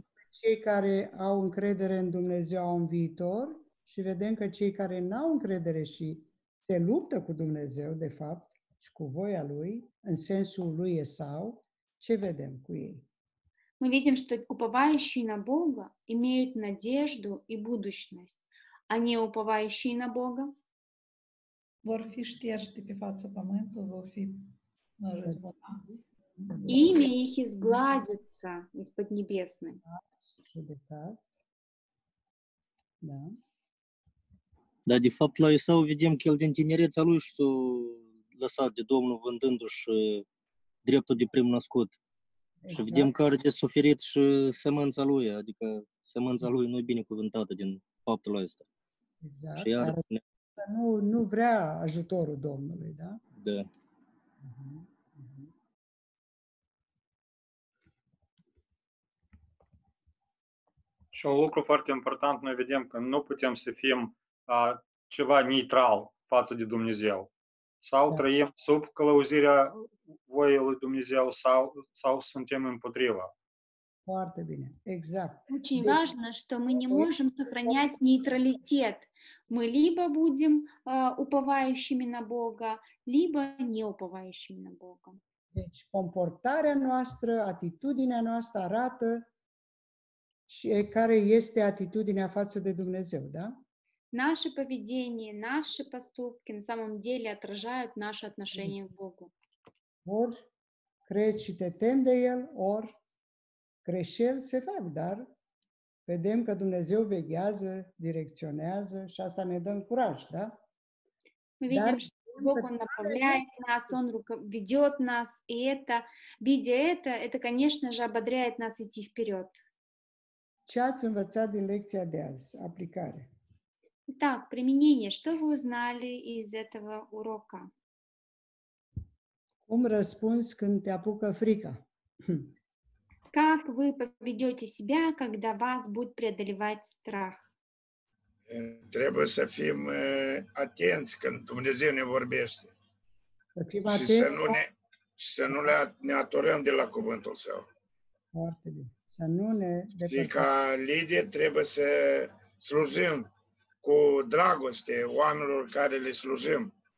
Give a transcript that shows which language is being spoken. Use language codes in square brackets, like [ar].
[ro] Cei care au încredere în Dumnezeu au un viitor și vedem că cei care n-au încredere și se luptă cu Dumnezeu, de fapt, și cu voia Lui, în sensul lui Esau, ce vedem cu ei? [ru] Мы видим, что уповающие на Бога имеют надежду и будущность, а не уповающие на Бога [ro] vor fi șterși pe fața pământului, vor fi răzbunați. [ru] Имя их изгладится из поднебесной. Да. [ro] Да, de fapt la Isau vedem că el din tinerețea lui s-a lăsat de Domnul vândându-și dreptul de primnăscut. Exact. Și vedem că are suferit și semânța lui, adică semânța lui nu e binecuvântată din faptul ăsta. Exact. Și iar... nu vrea ajutorul Domnului, da? Da. Și un lucru foarte important, noi vedem că nu putem să fim ceva neutral față de Dumnezeu. Sau trăim sub călăuzirea voii lui Dumnezeu, sau suntem împotriva. Foarte bine, exact. [ru] Очень важно, что мы не можем сохранять нейтралитет. Мы либо будем уповающими на Бога, либо неуповающими на Бога. [ro] Deci, comportarea noastră, atitudinea noastră arată care este atitudinea față de Dumnezeu, da? [ru] Наше поведение, наши поступки на самом деле отражают наше отношение к Богу. [ro] Or crezi și te temi de El, or greșel se fac, dar vedem că Dumnezeu veghează, direcționează și asta ne dă curaj, da? [ru] Мы видим, что Бог Он направляет нас, Он ведет нас, и это, видя это, конечно же, ободряет нас идти вперед. [ro] Ce ați învățat din lecția de azi? Aplicare. [ru] Так, применение. Что вы узнали из этого урока? [ro] Cum răspunzi când te apucă frica? [ru] Как вы поведете себя, когда вас будет преодолевать страх? [ro] Trebuie să fim atenți când Dumnezeu ne vorbește. Să fim atenți. Și să nu ne aturăm de la cuvântul Său. Foarte bine. Să nu ne... Și ca lideri trebuie să slujim cu dragoste oamenilor care le slujim.